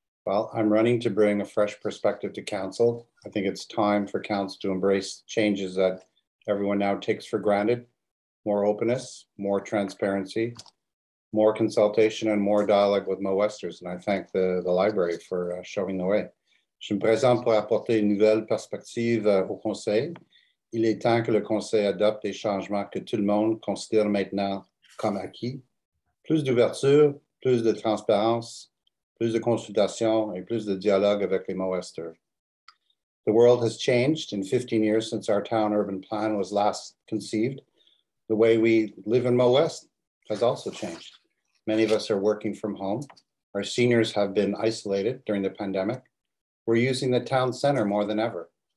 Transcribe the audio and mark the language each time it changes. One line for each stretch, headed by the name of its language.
English: Well, I'm running to bring a fresh perspective to council. I think it's time for council to embrace changes that everyone now takes for granted. More openness, more transparency, more consultation, and more dialogue with Mo-Westers. And I thank the library for showing the way.
French: Je me présente pour apporter une nouvelle perspective au conseil. Il est temps que le conseil adopte des changements que tout le monde considère maintenant comme acquis. Plus d'ouverture, plus de transparence, plus de consultation, et plus de dialogue avec les Mo-Westers.
English: The world has changed in 15 years since our town urban plan was last conceived. The way we live in Mo-West has also changed. Many of us are working from home. Our seniors have been isolated during the pandemic. We're using the town center more than ever.